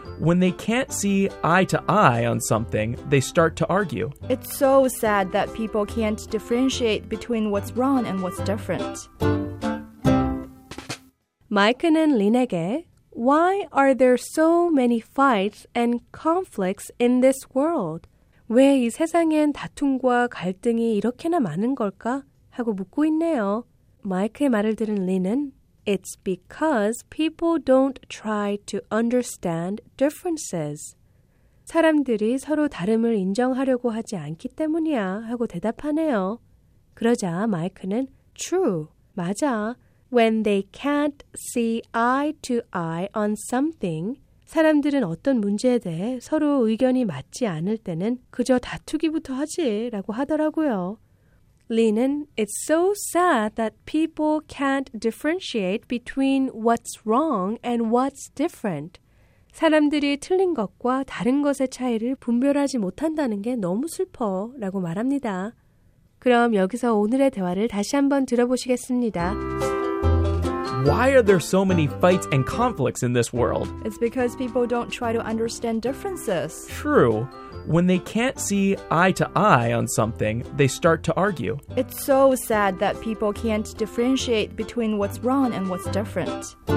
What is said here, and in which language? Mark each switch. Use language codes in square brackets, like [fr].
[en] When they can't see eye to eye on something, they start to argue. It's so sad that people can't differentiate between what's wrong and what's different. [ko] 마이크는 린에게, [en] Why are there so many fights and conflicts in this world? [ko] 왜 이 세상엔 다툼과 갈등이 이렇게나 많은 걸까? 하고 묻고 있네요. 마이크의 말을 들은 린은 [en] It's because people don't try to understand differences. [ko] 사람들이 서로 다름을 인정하려고 하지 않기 때문이야 하고 대답하네요. 그러자 마이크는 [en] True, [ko] 맞아. [en] When they can't see eye to eye on something, [ko] 사람들은 어떤 문제에 대해 서로 의견이 맞지 않을 때는 그저 다투기부터 하지 라고 하더라고요. 린은 [en] It's so sad that people can't differentiate between what's wrong and what's different. [ko] 사람들이 틀린 것과 다른 것의 차이를 분별하지 못한다는 게 너무 슬퍼 라고 말합니다. 그럼 여기서 오늘의 대화를 다시 한번 들어보시겠습니다. [en] Why are there so many fights and conflicts in this world? It's because people don't try to understand differences. True. When they can't see eye to eye on something, they start to argue. It's so sad that people can't differentiate between what's wrong and what's different.